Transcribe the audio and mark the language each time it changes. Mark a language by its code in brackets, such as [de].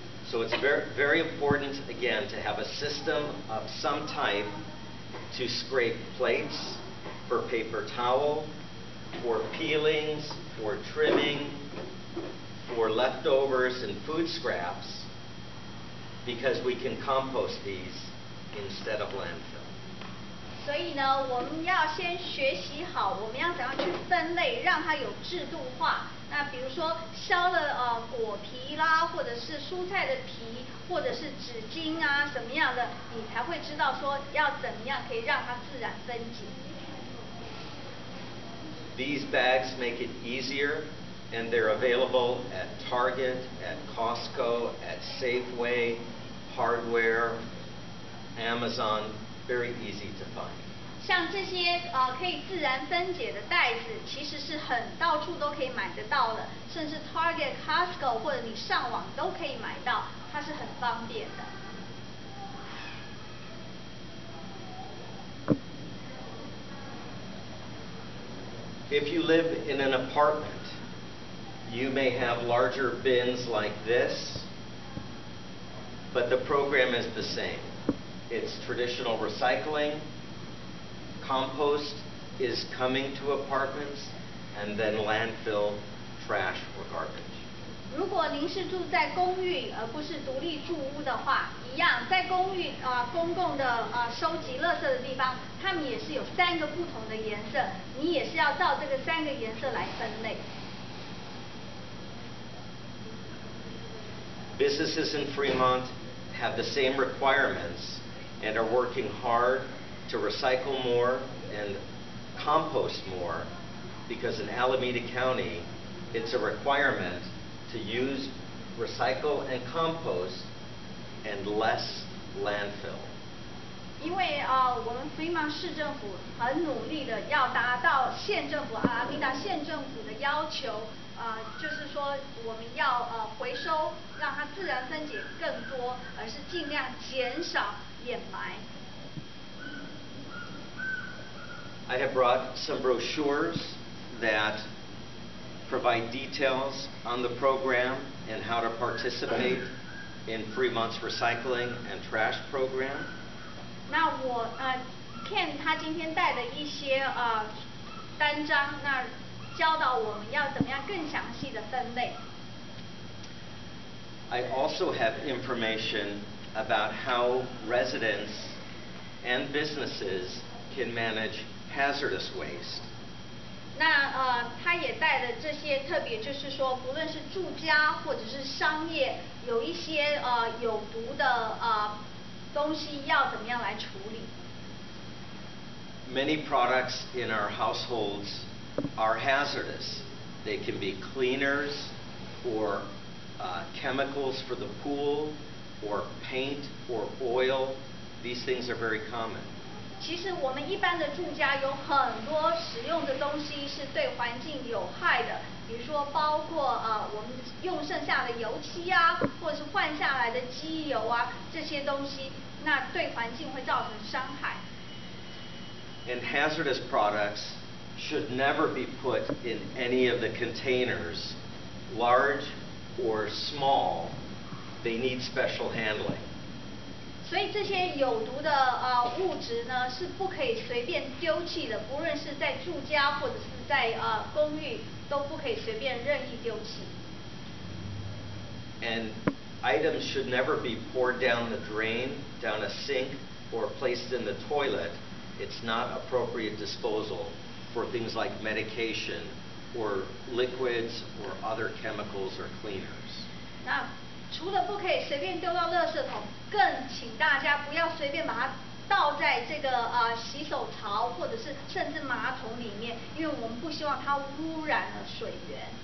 [en] So it's very important, again, to have a system of some type to scrape plates for paper towel, for peelings, for trimming, for leftovers and food scraps, because we can compost these instead of landfill. [zh] 所以呢，我们要先学习好，我们要怎样去分类，让它有制度化。那比如说，削了果皮啦，或者是蔬菜的皮，或者是纸巾啊，什么样的，你才会知道说要怎么样可以让它自然分解。 [en] These bags make it easier, and they're available at Target, at Costco, at Safeway, Hardware, Amazon, very easy to find. [zh] 像这些可以自然分解的袋子，其实是很到处都可以买得到的，甚至 Target、Costco 或者你上网都可以买到，它是很方便的。 [en] If you live in an apartment, you may have larger bins like this, but the program is the same. It's traditional recycling. Compost is coming to apartments, and then landfill trash or garbage. [zh] 如果您是住在公寓而不是独立住屋的话，一样在公寓公共的收集垃圾的地方，它们也是有三个不同的颜色，你也是要照这个三个颜色来分类。 [en] Businesses in Fremont have the same requirements and are working hard to recycle more and compost more because in Alameda County it's a requirement to use recycle and compost and less landfill. [zh] 因为我们 Fremont 市政府很努力的要达到县政府Alameda县政府的要求，就是说我们要回收，让它自然分解更多，而是尽量减少掩埋。 [en] I have brought some brochures that provide details on the program and how to participate in Fremont's recycling and trash program. [zh] 那我Ken 他今天带的一些单张，那教导我们要怎么样更详细的分类。 [en] I also have information about how residents and businesses can manage hazardous waste. [zh] 那他也带了这些，特别就是说，不论是住家或者是商业，有一些有毒的东西要怎么样来处理。 [en] Many products in our households are hazardous. They can be cleaners or chemicals for the pool or paint or oil. These things are very common. [zh] 其实我们一般的住家有很多使用的东西是对环境有害的，比如说包括我们用剩下的油漆啊，或者是换下来的机油啊，这些东西那对环境会造成伤害。 [en] And hazardous products should never be put in any of the containers, large or small. They need special handling. [zh] 所以这些有毒的物质呢，是不可以随便丢弃的，不论是在住家或者是在公寓，都不可以随便任意丢弃。 [en] And items should never be poured down the drain, down a sink, or placed in the toilet. It's not appropriate disposal for things like medication or liquids or other chemicals or cleaners. [zh] 那除了不可以随便丢到垃圾桶，更请大家不要随便把它倒在这个洗手槽或者是甚至马桶里面，因为我们不希望它污染了水源。